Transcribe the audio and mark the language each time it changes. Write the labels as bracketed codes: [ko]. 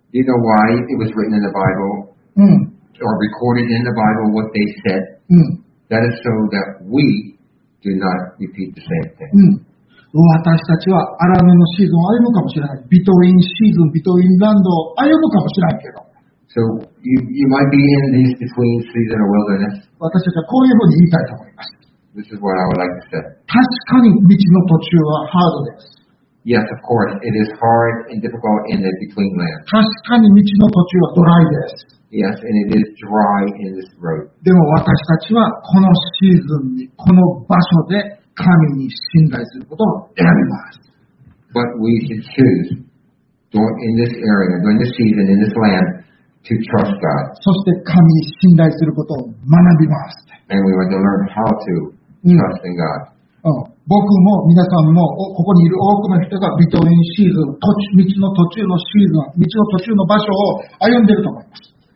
[en] Do you know why it was written in the Bible? Or recorded in the Bible what they said? That is so that we do not repeat the same thing. [ja] 私たちは荒野のシーズンを歩むかもしれない。ビトウィンシーズン、ビトウィンランドを歩むかもしれないけど。 [en] So you might be in these between season or wilderness. [ja] 私たちはこういうふうに言いたいと思います。 [en] This is what I would like to say. [ja] 確かに道の途中はハードです。 [en] Yes, of course. It is hard and difficult in the between land. [ja] 確かに道の途中はドライです。 [en] Yes, and it is dry in this road. [ja] でも私たちはこのシーズンにこの場所で神に信頼することを選びます。 [en] But we should choose in this area, during this season, in this land, to trust God. [ja] そして神に信頼することを学びます。 [en] And we want to learn how to trust in God. [ja] 僕も皆さんもここにいる多くの人がビトウィンシーズン、道の途中のシーズン、道の途中の場所を歩んでいると思います。